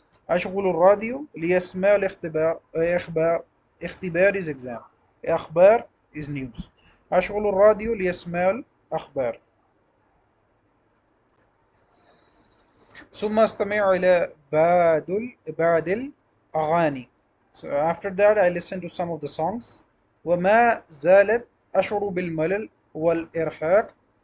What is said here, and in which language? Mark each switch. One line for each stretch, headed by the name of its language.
Arabic: أشغل الراديو ليسمع الاختبار اختبار
English: is exam. أخبار is news.
Arabic: أشغل الراديو ليسمع الأخبار. ثم استمع إلى بعض الأغاني.
English: So after that I listen to some of the songs.
Arabic: وما زالت أشعر بالملل والإرهاق.